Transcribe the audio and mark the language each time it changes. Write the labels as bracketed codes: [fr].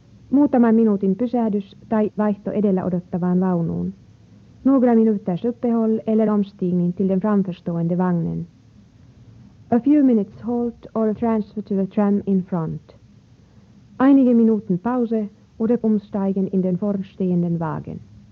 [fi] Muutaman minuutin pysähdys tai vaihto edellä odottavaan vaunuun. [sv] Några minuters uppehåll eller omstigning till den framförstående vagnen. [en] A few minutes halt or a transfer to the tram in front. [de] Einige minuten pause oder umsteigen in den vorstehenden Wagen.